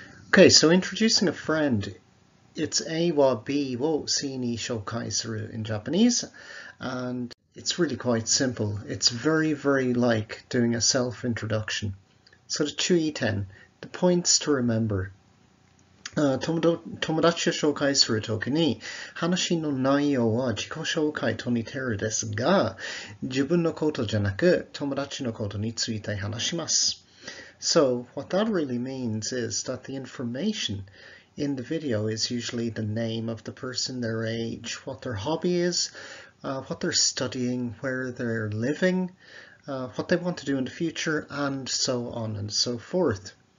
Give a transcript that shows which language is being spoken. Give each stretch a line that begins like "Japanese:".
English: Okay, so introducing a friend. It's
Japanese: A wa B wo C ni shokai suru
English: in Japanese, and it's really quite simple. It's very, very like doing a self-introduction. So the 注意点, the points to remember.
Japanese: 友達を紹介するときに、話の内容は自己紹介と似てるですが、自分のことじゃなく友達のことについて話します。
English: So what that really means is that the information in the video is usually the name of the person, their age, what their hobby is, what they're studying, where they're living, what they want to do in the future, and so on and so forth.